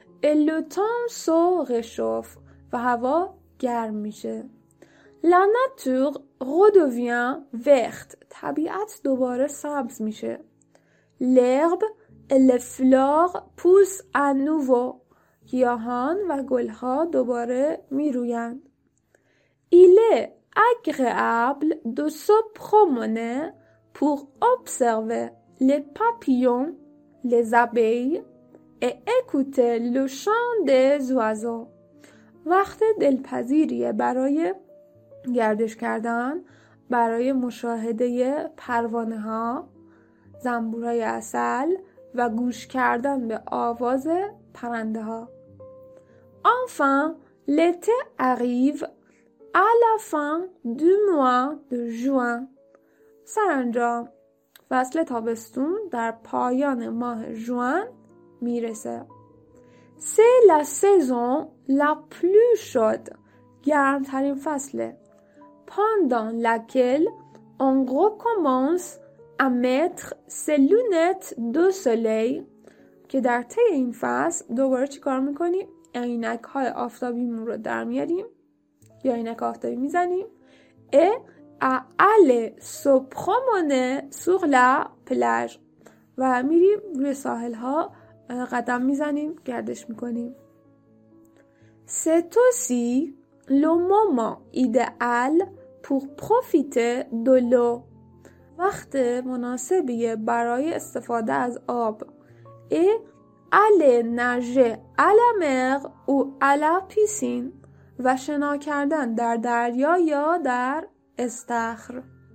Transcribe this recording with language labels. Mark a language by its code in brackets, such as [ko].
[fr] Et le temps se réchauffe [fa] و هوا گرم میشه. [fr] La nature redevient verte. [fa] طبیعت دوباره سبز میشه. [fr] L'herbe et les fleurs poussent à nouveau. [fa] گیاهان و گلها دوباره میروین. [fr] Il est agréable de se promener pour observer les papillons, les abeilles et écouter le chant des oiseaux. [fa] وقت دلپذیریه برای گردش کردن، برای مشاهده پروانه ها، زنبورهای عسل و گوش کردن به آواز پرنده ها. [fr] Enfin, l'été arrive à la fin du mois de juin. [fa] سرانجام فصل تابستون در پایان ماه ژوئن میرسه. [fr] C'est la saison la plus chaude. [fa] گرمترین فصله. [fr] Pendant laquelle on recommence à mettre ses lunettes de soleil. [fa] که در طی این فصل دوباره چی کار میکنیم؟ عینک های آفتابیمون رو در میاریم یا عینک آفتابی میزنیم. [fr] Et à aller se promener sur la plage. [fa] و میریم روی ساحل ها قدم میزنیم، گردش میکنیم. [fr] C'est aussi le moment idéal pour profiter de l'eau. [fa] وقت مناسبیه برای استفاده از آب. [fr] Et aller nager à la mer ou à la piscine. [fa] و شنا کردن در دریا یا در استخر.